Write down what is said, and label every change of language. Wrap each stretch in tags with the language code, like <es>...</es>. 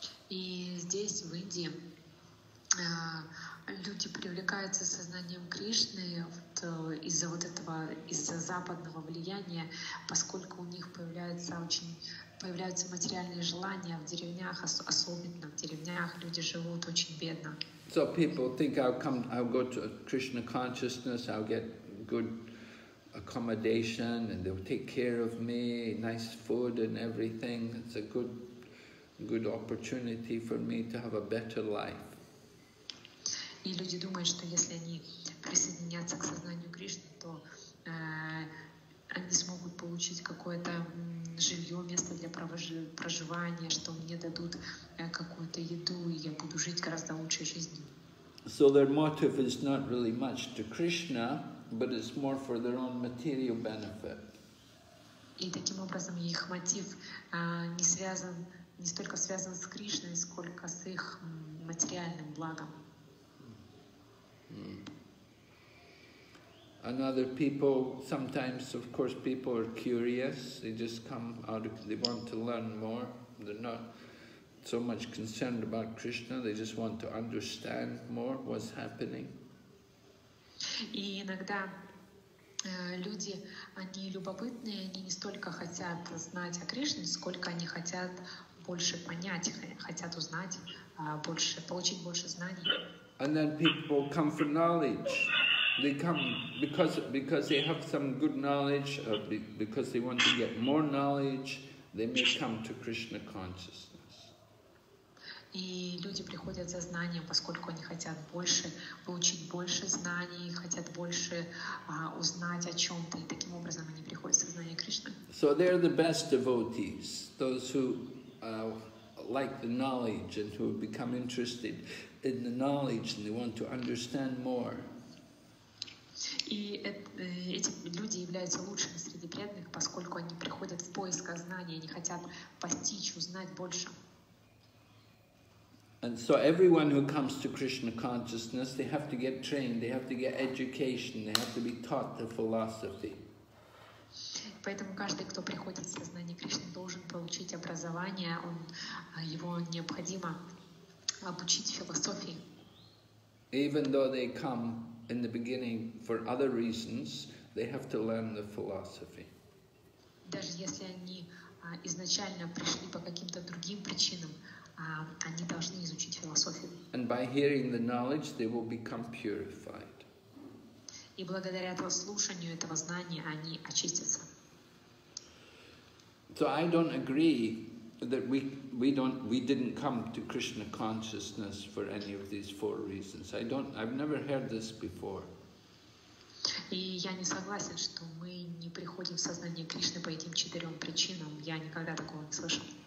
<ru>И здесь в Индии люди привлекаются сознанием Кришны вот, из-за вот этого, из-за западного влияния, поскольку у них появляются материальные желания в деревнях, особенно в деревнях люди живут очень бедно.</ru> <en>So people think I'll go to a Krishna consciousness, I'll get good accommodation and they'll take care of me, nice food and everything. It's a good opportunity for me to have a better life.</en> <ru>И люди думают, что если они присоединятся к сознанию Кришны, то они смогут получить какое-то жилье, место для проживания, что мне дадут какую-то еду, и я буду жить гораздо лучшей жизнью.</ru> <en>So their motive is not really much to Krishna, but it's more for their own material benefit.</en> <ru>И таким образом их мотив не столько связан с Кришной, сколько с их материальным благом.</ru> <en>And other people, sometimes, of course, people are curious. They just come out, they want to learn more. They're not so much concerned about Krishna. They just want to understand more what's happening.</en> <ru>И иногда люди, они любопытные, они не столько хотят знать о Кришне, сколько они хотят больше понять, хотят узнать больше, получить больше знаний.</ru> <en>And then people come for knowledge. They come because they have some good knowledge, or because they want to get more knowledge, they may come to Krishna consciousness.</en> <ru>И люди приходят за знанием, поскольку они хотят больше, получить больше знаний, хотят больше узнать о чем-то, и таким образом они приходят в сознание Кришны.</ru> <en>So they are the best devotees, those who like the knowledge and who become interested in the knowledge and they want to understand more.</en> <ru>И эти люди являются лучшими среди преданных, поскольку они приходят в поиск знаний, они хотят постичь, узнать больше.</ru> <en>And so everyone who comes to Krishna consciousness, they have to get trained, they have to get education, they have to be taught the philosophy.</en> <ru>Поэтому каждый, кто приходит в сознание Кришны, должен получить образование, его необходимо обучить философии.</ru> <en>Even though they come in the beginning for other reasons, they have to learn the philosophy.</en> <ru>Даже если они изначально пришли по каким-то другим причинам, они должны изучить философию.</ru> <en>And by hearing the knowledge, they will become purified.</en> <ru>И благодаря этому слушанию этого знания они очистятся.</ru> <en>So I don't agree that we didn't come to Krishna consciousness for any of these four reasons. I've never heard this before.</en> <ru>И я не согласен, что мы не приходим в сознание Кришны по этим четырем причинам. Я никогда такого не слышал.</ru>